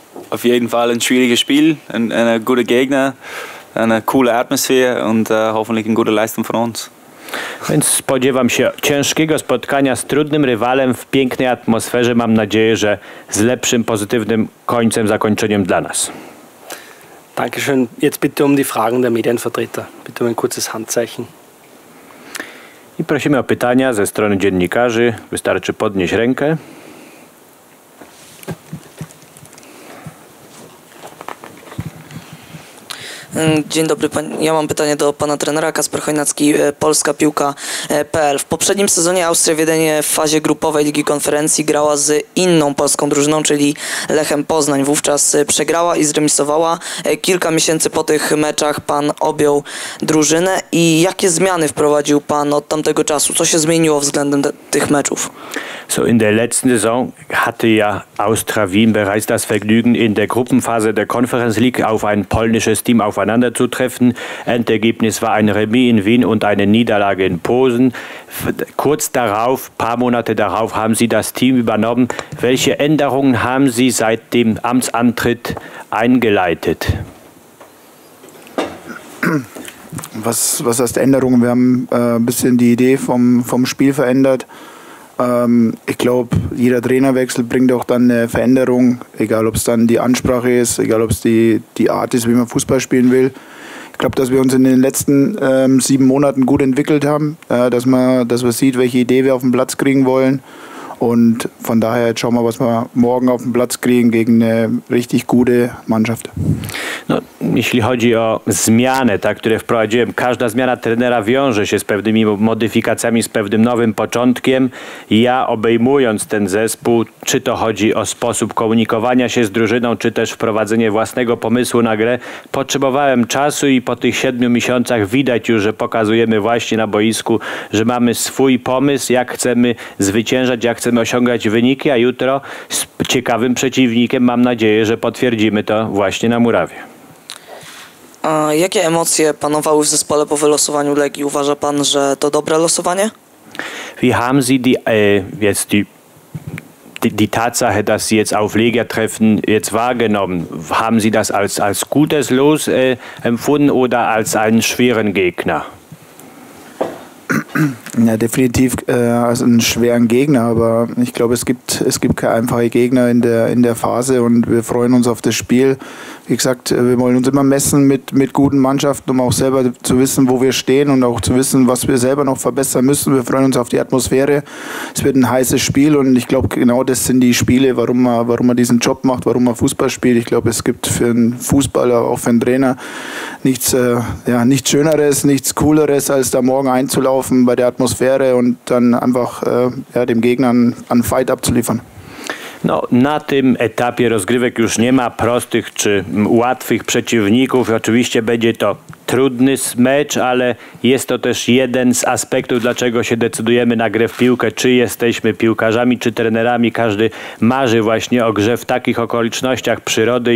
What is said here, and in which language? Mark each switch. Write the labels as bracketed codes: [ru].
[de] Auf jeden Fall ein schwieriges Spiel, ein guter Gegner, eine coole Atmosphäre und hoffentlich eine gute Leistung von uns. [pl] Więc spodziewam się ciężkiego spotkania z trudnym rywalem w pięknej atmosferze. Mam nadzieję, że z lepszym, pozytywnym końcem, zakończeniem dla nas. [de] Dankeschön. Jetzt bitte um die Fragen der Medienvertreter. Bitte um ein kurzes Handzeichen. [pl] I prosimy o pytania ze strony dziennikarzy. Wystarczy podnieść rękę. Dzień dobry. Ja mam pytanie do pana trenera. Kasper Chojnacki, Polska Piłka PL. W poprzednim sezonie Austria w Wiedeniu w fazie grupowej Ligi Konferencji grała z inną polską drużyną, czyli Lechem Poznań. Wówczas przegrała i zremisowała. Kilka miesięcy po tych meczach pan objął drużynę. I jakie zmiany wprowadził pan od tamtego czasu? Co się zmieniło względem tych meczów? [de] So in der letzten Saison hatte ja Austria Wien bereits das Vergnügen, in der Gruppenphase der Conference League auf ein polnisches Team aufeinanderzutreffen. Endergebnis war ein Remis in Wien und eine Niederlage in Posen. Kurz darauf, paar Monate darauf, haben Sie das Team übernommen. Welche Änderungen haben Sie seit dem Amtsantritt eingeleitet? Was heißt Änderungen? Wir haben ein bisschen die Idee vom Spiel verändert. Ich glaube, jeder Trainerwechsel bringt auch dann eine Veränderung, egal ob es dann die Ansprache ist, egal ob es die Art ist, wie man Fußball spielen will. Ich glaube, dass wir uns in den letzten 7 Monaten gut entwickelt haben, dass man sieht, welche Idee wir auf den Platz kriegen wollen. Und von daher jetzt schauen wir, was wir morgen auf den Platz kriegen gegen eine richtig gute Mannschaft. [pl] No, jeśli chodzi o zmianę, tak, które wprowadziłem, każda zmiana trenera wiąże się z pewnymi modyfikacjami, z pewnym nowym początkiem. Ja obejmując ten zespół, czy to chodzi o sposób komunikowania się z drużyną, czy też wprowadzenie własnego pomysłu na grę, potrzebowałem czasu i po tych 7 miesiącach widać już, że pokazujemy właśnie na boisku, że mamy swój pomysł, jak chcemy zwyciężać, jak chcemy osiągać wyniki, a jutro z ciekawym przeciwnikiem mam nadzieję, że potwierdzimy to właśnie na murawie. A jakie emocje panowały w zespole po wylosowaniu Legii? Uważa pan, że to dobre losowanie? [de] Wie haben Sie die Tatsache, dass Sie jetzt auf Legia treffen, jetzt wahrgenommen? Haben Sie das als gutes Los empfunden oder als einen schweren Gegner? Ja, definitiv also einen schweren Gegner, aber ich glaube, es gibt keine einfachen Gegner in der Phase und wir freuen uns auf das Spiel. Wie gesagt, wir wollen uns immer messen mit guten Mannschaften, um auch selber zu wissen, wo wir stehen und auch zu wissen, was wir selber noch verbessern müssen. Wir freuen uns auf die Atmosphäre. Es wird ein heißes Spiel und ich glaube, genau das sind die Spiele, warum man diesen Job macht, warum man Fußball spielt. Ich glaube, es gibt für einen Fußballer, auch für einen Trainer, nichts Schöneres, nichts Cooleres, als da morgen einzulaufen bei der Atmosphäre und dann einfach dem Gegner einen Fight abzuliefern. [pl] No, na tym etapie rozgrywek już nie ma prostych czy łatwych przeciwników. Oczywiście będzie to trudny mecz, ale jest to też jeden z aspektów, dlaczego się decydujemy na grę w piłkę, czy jesteśmy piłkarzami, czy trenerami. Każdy marzy właśnie o grze w takich okolicznościach przyrody.